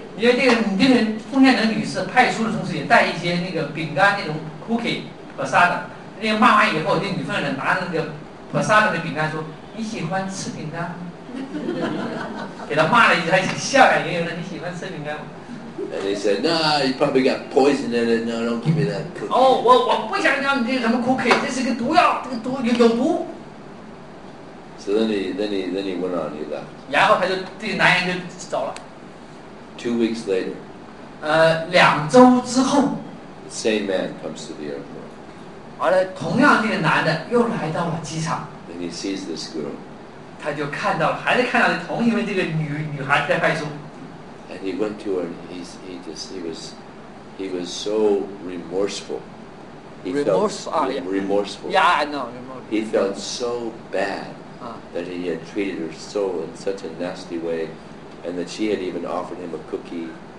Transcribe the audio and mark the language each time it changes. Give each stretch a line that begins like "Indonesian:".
Chinese: 这个奉献的女士派出的同时也带一些那个饼干那种 cookie prasada. 那个骂完以后，那女奉献的拿那个 prasada 的饼干说：“你喜欢吃饼干？” 给他骂了一句，他笑脸盈盈的：“你喜欢吃饼干吗？”
English: And he said, "No, you probably got poison in it. No, don't give me that cookie."
Chinese: Oh, 我不想让你这个什么 cookie. 这是个毒药，这个毒有毒。
English: So then he went on. He left.
Chinese: 然后他就这个男人就走了。
English: Two weeks later.
Chinese: 两周之后。
English: The same man comes to the airport.
Chinese: 完了，同样这个男的又来到了机场。
English: And he sees this girl.
Chinese: 他就看到了，还是看到了同一位这个女孩在派出。
English: And he went to her and he was so remorseful. Remorseful. Yeah, I know. He felt so bad that he had treated her so in such a nasty way and that she had even offered him a cookie.